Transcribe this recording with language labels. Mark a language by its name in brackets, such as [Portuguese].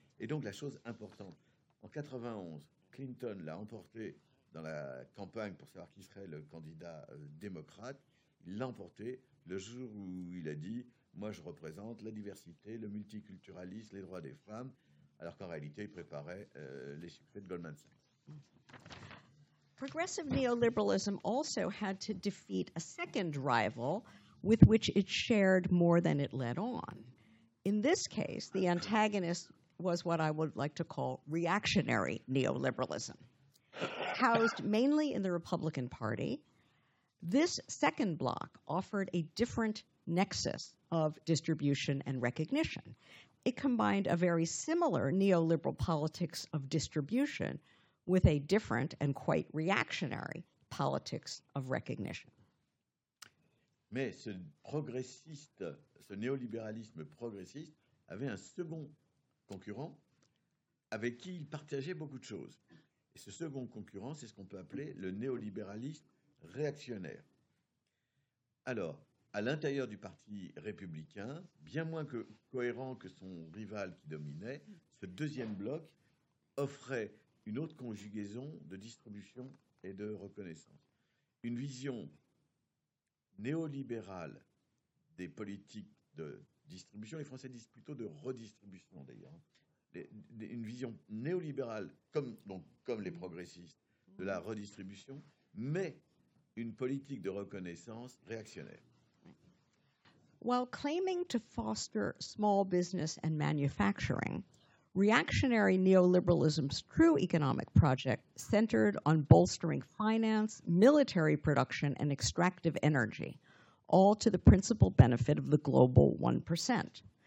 [French] Et donc la chose importante, en 91, Clinton l'a emporté dans la campagne pour savoir qui serait le candidat démocrate, il l'a emporté le jour où il a dit « Moi, je représente la diversité, le multiculturalisme, les droits des femmes », alors qu'en réalité, il préparait les succès de Goldman Sachs. [English] Progressive neoliberalism also had to defeat a second rival with which it shared more than it led on. In this case, the antagonist was what I would like to call reactionary neoliberalism. Housed mainly in the Republican Party, this second bloc offered a different nexus of distribution and recognition. It combined a very similar neoliberal politics of distribution with a different and quite reactionary politics of recognition. [French] Mais ce progressiste, ce néolibéralisme progressiste, avait un second concurrent avec qui il partageait beaucoup de choses. Et ce second concurrent, c'est ce qu'on peut appeler le néolibéralisme réactionnaire. Alors, à l'intérieur du Parti républicain, bien moins cohérent que son rival qui dominait, ce deuxième bloc offrait une autre conjugaison de distribution et de reconnaissance. Une vision néolibérale des politiques de distribution, les Français disent plutôt de redistribution d'ailleurs, une vision néolibérale, comme les progressistes, de la redistribution, mais une politique de reconnaissance réactionnaire. [English] While claiming to foster small business and manufacturing, reactionary neoliberalism's true economic project centered on bolstering finance, military production, and extractive energy, all to the principal benefit of the global 1%.